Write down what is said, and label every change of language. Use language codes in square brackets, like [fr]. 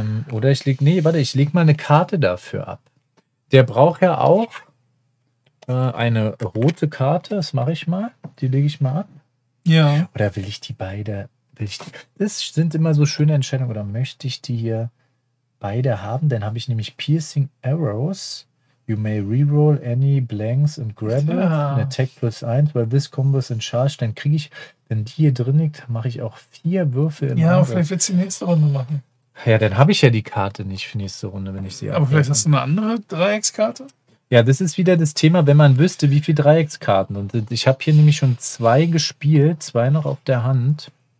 [de] Oder ich lege... Nee, warte, ich lege mal eine Karte dafür ab. Der braucht ja auch eine rote Karte. Das mache ich mal. Die lege ich mal ab. Ja. Oder will ich die beide? Will ich die, das sind immer so schöne Entscheidungen. Oder möchte ich die hier beide haben? Dann habe ich nämlich Piercing Arrows. [en] You may reroll any blanks and grab it. An attack plus 1. Weil this combo is in charge. [de] Dann kriege ich, wenn die hier drin liegt, mache ich auch 4 Würfel im Angriff. Ja, vielleicht wird es die nächste Runde machen. Ja, dann habe ich ja die Karte nicht für nächste Runde, wenn ich sie abbringe. Aber vielleicht hast du eine andere Dreieckskarte? Ja, das ist wieder das Thema, wenn man wüsste, wie viele Dreieckskarten. Und ich habe hier nämlich schon 2 gespielt, 2 noch auf der Hand.